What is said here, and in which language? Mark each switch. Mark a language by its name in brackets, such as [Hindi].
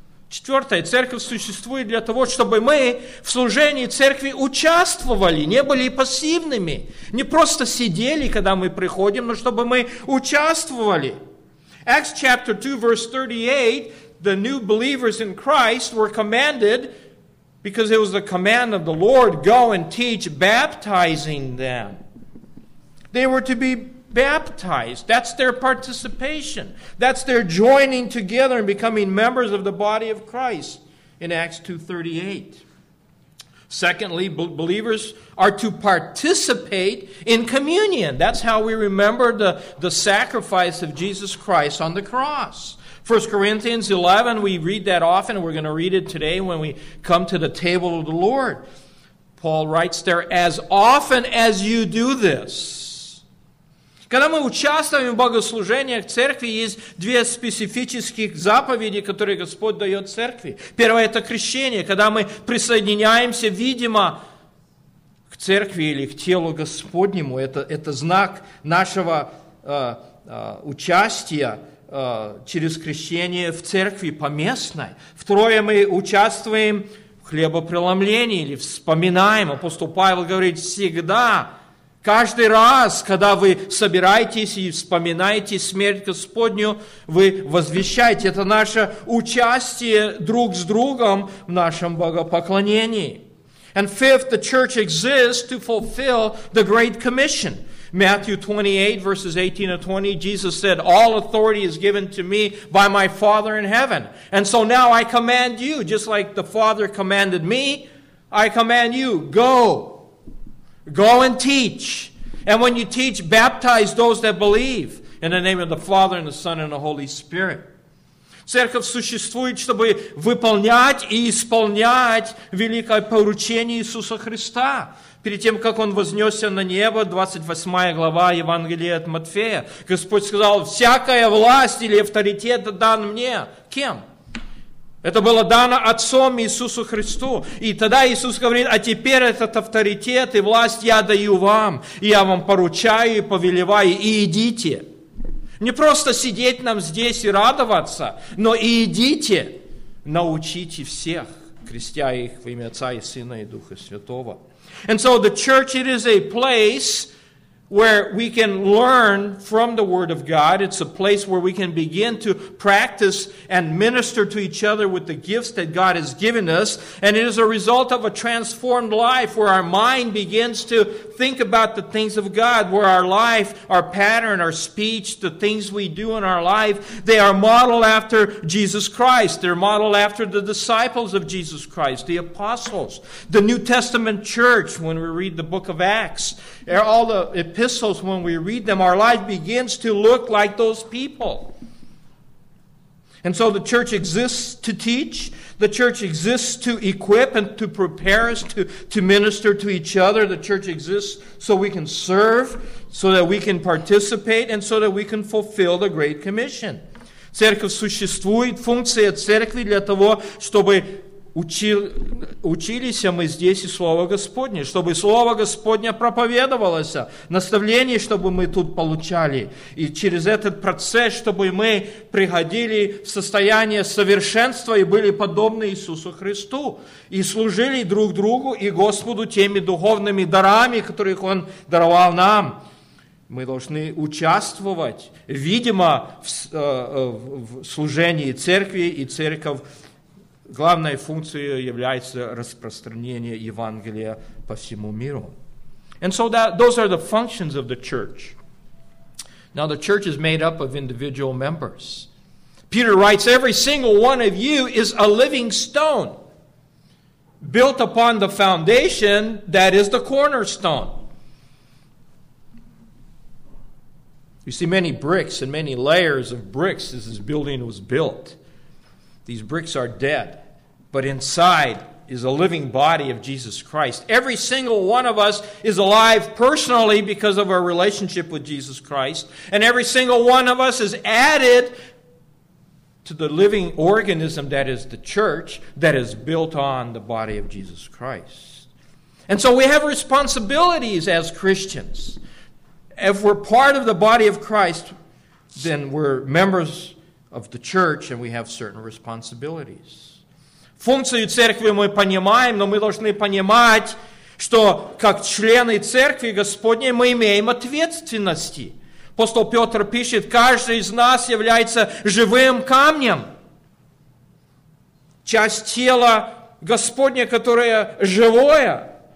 [Russian] Четвертое, церковь существует для того, чтобы мы в служении церкви участвовали, не были пассивными, не просто сидели, когда мы приходим, но чтобы мы участвовали. [English] Acts chapter 2, verse 38, the new believers in Christ were commanded, because it was the command of the Lord, go and teach, baptizing them. They were to be baptized. That's their participation. That's their joining together and becoming members of the body of Christ in Acts 2:38. Secondly, believers are to participate in communion. That's how we remember the sacrifice of Jesus Christ on the cross. 1 Corinthians 11, we read that often. We're going to read it today when we come to the table of the Lord. Paul writes there, as often as you do this. [Russian] Когда мы участвуем в богослужениях церкви, есть две специфических заповеди, которые Господь дает церкви. Первое – это крещение, когда мы присоединяемся, видимо, к церкви или к телу Господнему. Это знак нашего участия через крещение в церкви поместной. Второе – мы участвуем в хлебопреломлении или вспоминаем. Апостол Павел говорит, всегда – каждый раз, когда вы собираетесь и вспоминаете смерть Господню, вы возвещаете. Это наше участие друг с другом в нашем богопоклонении. [English] And fifth, the church exists to fulfill the Great Commission. Matthew 28, verses 18 and 20, Jesus said, all authority is given to me by my Father in heaven. And so now I command you, just like the Father commanded me, I command you, go. Go and teach. And when you teach, baptize those that believe in the name of the Father and the Son and the Holy Spirit. [Russian] Церковь существует, чтобы выполнять и исполнять великое поручение Иисуса Христа. Перед тем, как Он вознесся на небо, 28 глава Евангелия от Матфея, Господь сказал, всякая власть или авторитет дан мне. Кем? Это было дано Отцом Иисусу Христу. И тогда Иисус говорит, а теперь этот авторитет и власть я даю вам. Я вам поручаю и повелеваю, и идите. Не просто сидеть нам здесь и радоваться, но и идите, научите всех, крестя их во имя Отца и Сына и Духа Святого. [English] And so the church, it is a place where we can learn from the Word of God. It's a place where we can begin to practice and minister to each other with the gifts that God has given us. And it is a result of a transformed life where our mind begins to think about the things of God, where our life, our pattern, our speech, the things we do in our life, they are modeled after Jesus Christ. They're modeled after the disciples of Jesus Christ, the apostles, the New Testament church, when we read the book of Acts, all the epistles, when we read them, our life begins to look like those people. And so the church exists to teach. The church exists to equip and to prepare us to minister to each other. The church exists so we can serve, so that we can participate, and so that we can fulfill the Great Commission. [Russian] Церковь существует, функция церкви для того, чтобы учились мы здесь и Слово Господне, чтобы Слово Господне проповедовалось, наставление, чтобы мы тут получали, и через этот процесс, чтобы мы приходили в состояние совершенства и были подобны Иисусу Христу, и служили друг другу и Господу теми духовными дарами, которых Он даровал нам. Мы должны участвовать, видимо, в служении церкви и церковь. Главной функцией является распространение Евангелия по всему миру. [English] And so those are the functions of the church. Now the church is made up of individual members. Peter writes, every single one of you is a living stone, built upon the foundation that is the cornerstone. You see, many bricks and many layers of bricks as this building was built. These bricks are dead. But inside is a living body of Jesus Christ. Every single one of us is alive personally because of our relationship with Jesus Christ. And every single one of us is added to the living organism that is the church that is built on the body of Jesus Christ. And so we have responsibilities as Christians. If we're part of the body of Christ, then we're members of the church and we have certain responsibilities. [Russian] Функцию церкви мы понимаем, но мы должны понимать, что как члены церкви Господней мы имеем ответственности. Апостол Петр пишет, каждый из нас является живым камнем. Часть тела Господня, которая живая.